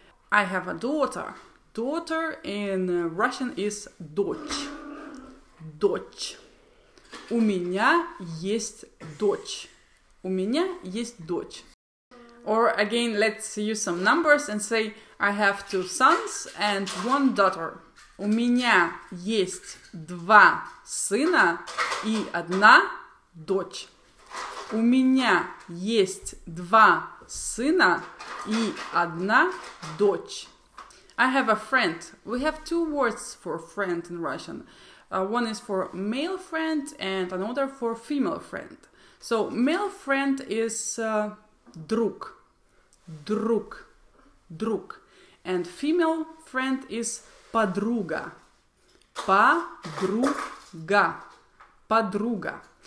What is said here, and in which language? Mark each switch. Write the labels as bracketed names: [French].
[English] I have a daughter. Daughter in Russian is дочь. Дочь. [Russian] У меня есть дочь. У меня есть дочь. [English] Or again, let's use some numbers and say I have two sons and one daughter. [Russian] У меня есть два сына и одна дочь. У меня есть два сына и одна дочь. [English] I have a friend. We have two words for friend in Russian. One is for male friend and another for female friend. So male friend is друг, друг, друг. And female friend is подруга, подруга, подруга.